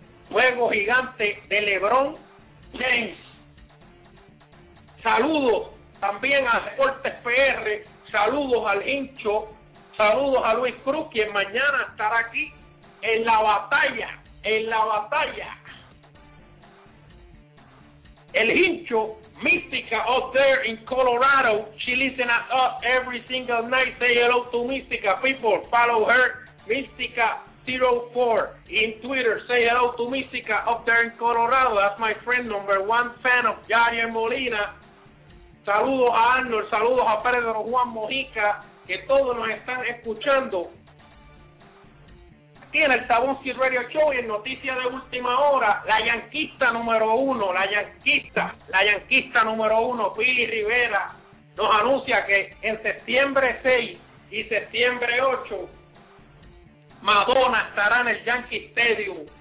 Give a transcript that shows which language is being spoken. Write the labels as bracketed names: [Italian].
[Spanish] fuego gigante de LeBron James. Saludos también a Deportes PR, saludos al hincho, saludos a Luis Cruz, quien mañana estará aquí en la batalla, en la batalla. [English] El hincho, Mística, up there in Colorado, she listen at us every single night, say hello to Mística, people, follow her, Mística04, in Twitter, say hello to Mística, up there in Colorado, that's my friend, number one fan of Yadier Molina. [Spanish] Saludos a Arnold, saludos a Pedro Juan Mojica, que todos nos están escuchando. Aquí en el Tabón Sir Radio Show y en noticias de última hora, la yanquista número uno, la yanquista número uno, Billy Rivera, nos anuncia que en septiembre 6 y septiembre 8, Madonna estará en el Yankee Stadium.